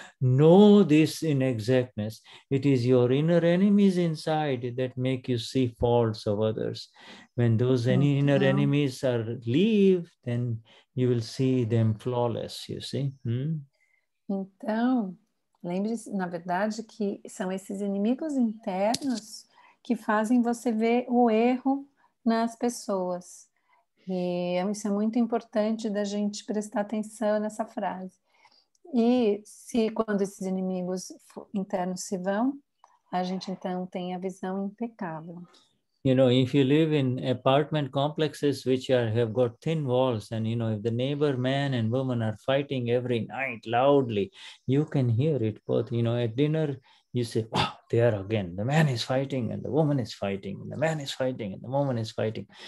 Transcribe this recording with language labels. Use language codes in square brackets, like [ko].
[en] Know this in exactness. It is your inner enemies inside that make you see faults of others. When those inner enemies leave, then you will see them flawless, you see. [pt] Então, lembre-se, na verdade, que são esses inimigos internos que fazem você ver o erro nas pessoas. E isso é muito importante da gente prestar atenção nessa frase. E se quando esses inimigos internos se vão, a gente então tem a visão impecável. [en] You know, if you live in apartment complexes which have got thin walls, and you know, if the neighbor man and woman are fighting every night loudly, you can hear it both. You know, at dinner, you say, wow, there again, the man is fighting and the woman is fighting, and the man is fighting and the woman is fighting.